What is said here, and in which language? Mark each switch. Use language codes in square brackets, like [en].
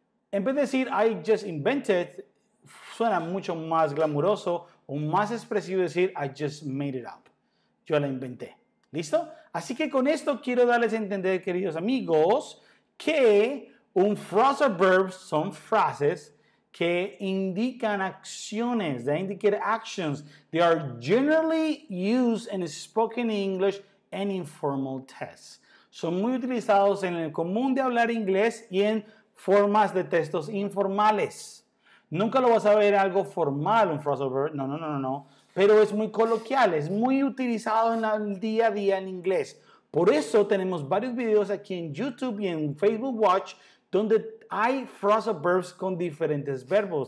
[es] En vez de decir, [en] I just invented, [es] suena mucho más glamuroso o más expresivo decir, [en] I just made it up. [es] Yo la inventé. ¿Listo? Así que con esto quiero darles a entender, queridos amigos, que un phrasal verb son frases que indican acciones. [en] They indicate actions. They are generally used in spoken English and informal tests. [es] Son muy utilizados en el común de hablar inglés y en formas de textos informales. Nunca lo vas a ver algo formal, un phrasal verb. No. Pero es muy coloquial, es muy utilizado en el día a día en inglés. Por eso tenemos varios videos aquí en YouTube y en Facebook Watch donde hay phrasal verbs con diferentes verbos.